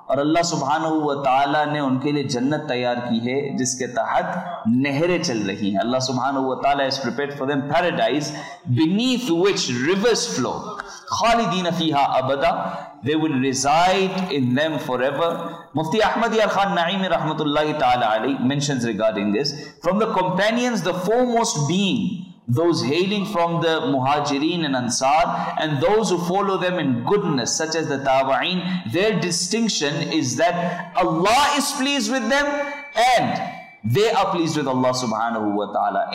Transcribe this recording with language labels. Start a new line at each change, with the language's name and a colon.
Urdu: اور اللہ سبحانہ و تعالیٰ نے ان کے لیے جنت تیار کی ہے جس کے تحت نہریں چل رہی ہیں.
English: اللہ سبحانہ و تعالیٰ has prepared for them paradise beneath which rivers flow.
Arabic: خالدین فیہا ابدا,
English: they will reside in them forever. Mufti Ahmad Yar Khan Naeem رحمت اللہ تعالیٰ علی mentions regarding this. From the companions, the foremost being those hailing from the Muhajireen and Ansar and those who follow them in goodness such as the Tabi'een, their distinction is that Allah is pleased with them and they are pleased with Allah subhanahu wa ta'ala.